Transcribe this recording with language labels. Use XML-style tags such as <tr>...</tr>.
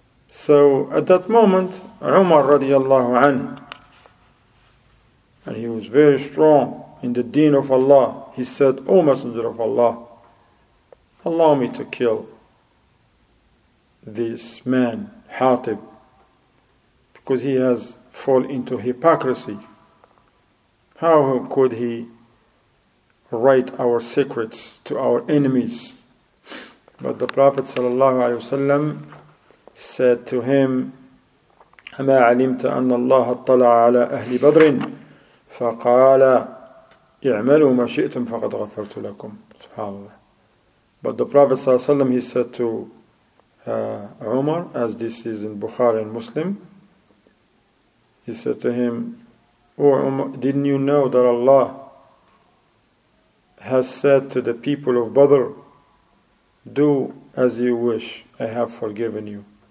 <en>So at that moment, Umar radiallahu anh, and he was very strong in the deen of Allah, he said, O Messenger of Allah, allow me to kill this man, Hatib, because he has fallen into hypocrisy. How could he write our secrets to our enemies? But the Prophet ﷺ said to him,</en> <ar>أَمَا عَلِمْتَ أَنَّ اللَّهَ اطَّلَعَ عَلَىٰ أَهْلِ بَدْرٍ فَقَالَ اِعْمَلُوا مَا شِئْتُمْ فَقَدْ غَفَرْتُ لَكُمْ.</ar> <en>SubhanAllah. But the Prophet ﷺ, he said to Umar, as this is in Bukhari and Muslim, he said to him, O Umar, didn't you know that Allah has said to the people of Badr, do as you wish, I have forgiven you.</en>